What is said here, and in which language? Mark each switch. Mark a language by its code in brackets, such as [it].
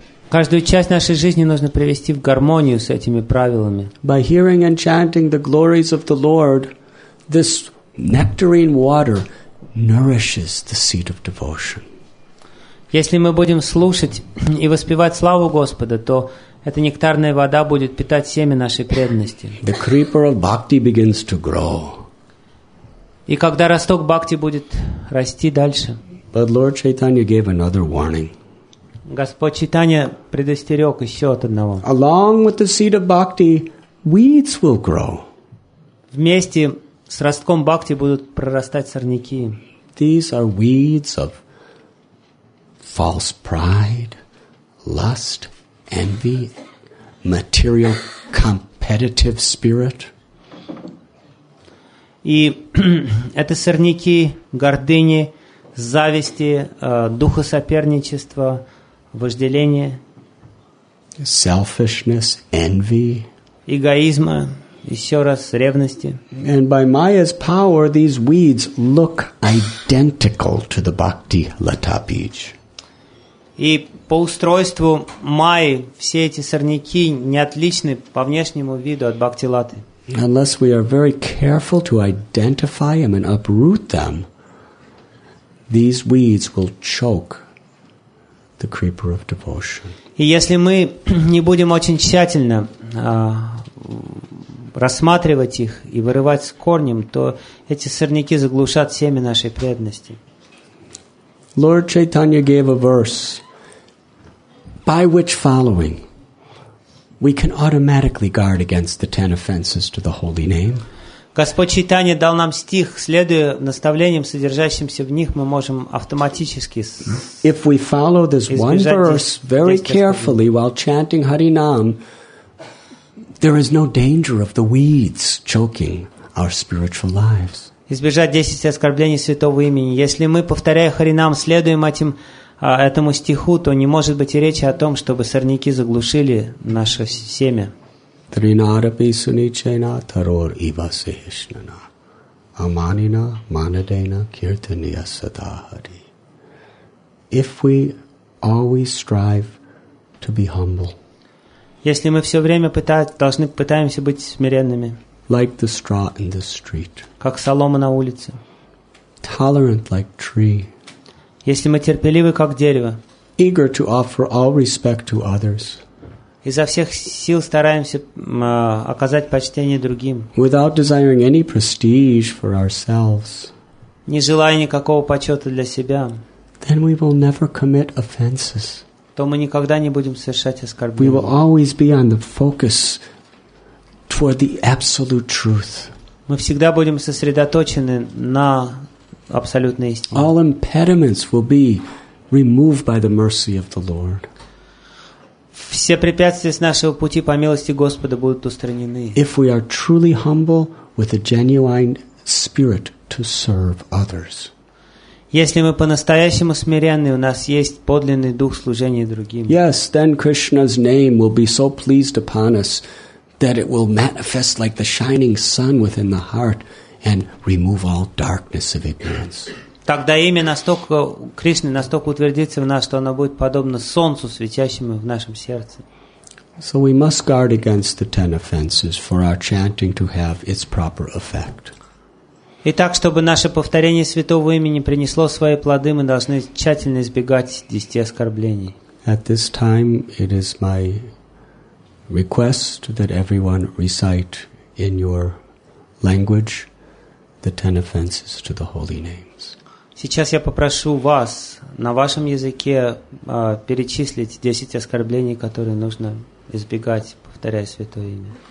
[ru] Каждую часть нашей жизни нужно привести в гармонию с этими правилами. [en] By hearing and chanting the glories of the Lord, this nectarine water nourishes the seed of devotion. [ru] Если мы будем слушать и воспевать славу Господа, то эта нектарная вода будет питать семя нашей преданности. [en] The creeper of bhakti begins to grow. [ru] И когда росток бхакти будет расти дальше. [en] But Lord Chaitanya gave another warning. [ru] Господь Чайтанья предостерег еще от одного. [en] Along with the seed of bhakti, weeds will grow. [ru] Вместе с ростком бхакти будут прорастать сорняки. [en] these are weeds of false pride, lust, envy, material competitive spirit. [ru] И это сорняки гордыни, зависти, духа соперничества, вожделения. [en] Selfishness, envy. [ru] Эгоизма, еще раз, ревности. [en] And by Maya's power, these weeds look identical to the Bhakti Lata Beach. [ru] И по устройству Майи все эти сорняки не отличны по внешнему виду от Бхакти Латы. [en] Unless we are very careful to identify them and uproot them, these weeds will choke the creeper of devotion. [ru] И если мы не будем очень тщательно рассматривать их и вырывать с корнем, то эти сорняки заглушат семя нашей преданности. [en] Lord Chaitanya gave a verse by which following we can automatically guard against the 10 offenses to the holy name. [ru] Господь Чайтанья дал нам стих, следуя наставлениям, содержащимся в них, мы можем автоматически [en] If we follow this one verse very carefully while chanting Harinam, there is no danger of the weeds choking our spiritual lives. [ru] Избежать 10 оскорблений святого имени. Если мы, повторяя Харинам, следуем этим этому стиху, то не может быть и речи о том, чтобы сорняки заглушили наше семя. [sa] Тринарапи суничайна тарор ива сихишнана аманина манадена киртаниа садахари. [en] If we always strive to be humble, [ru] если мы все время пытаемся быть смиренными, [en] like the straw in the street, [ru] как солома на улице, [en] tolerant like tree, [ru] если мы терпеливы, как дерево, [en] eager to offer all respect to others, [ru] изо всех сил стараемся оказать почтение другим, [en] without desiring any prestige for ourselves, [ru] не желая никакого почета для себя, [en] then we will never commit offenses, [ru] то мы никогда не будем совершать оскорбления. [en] We will always be on the focus toward the absolute truth. [ru] Мы всегда будем сосредоточены на абсолютной истине. [en] All impediments will be removed by the mercy of the Lord. [ru] Все препятствия с нашего пути по милости Господа будут устранены. [en] If we are truly humble with a genuine spirit to serve others. [ru] Если мы по-настоящему смиренны, у нас есть подлинный дух служения другим. [en] Yes, then Krishna's name will be so pleased upon us that it will manifest like the shining sun within the heart and remove all darkness of ignorance. [ru] Тогда имя настолько Кришны настолько утвердится в нас, что оно будет подобно солнцу, светящему в нашем сердце. [en] So we must guard against the 10 offenses for our chanting to have its proper effect. [ru] Итак, чтобы наше повторение святого имени принесло свои плоды, мы должны тщательно избегать 10 оскорблений. [en] At this time, it is my request that everyone recite in your language the 10 offenses to the holy names. [ru] Сейчас я попрошу вас на вашем языке перечислить 10 оскорблений, которые нужно избегать, повторяя святое имя.